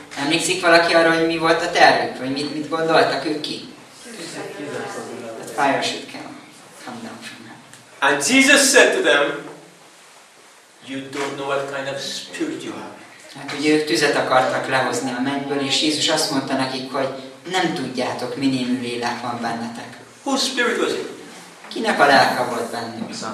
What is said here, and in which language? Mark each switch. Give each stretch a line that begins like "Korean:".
Hungarian: Emlékszik valaki arra, hogy mi volt a tervük, vagy mit gondoltak ők ki?
English: That fire should come down from them. And Jesus said to them, you don't know what kind of spirit you have.
Hungarian: Hát ugye ők tüzet akartak lehozni a mennyből, és Jézus azt mondta nekik, hogy nem tudjátok, mi némű lélek van bennetek.
English: Whose spirit was it?
Hungarian: Kinek a lelke volt bennünk?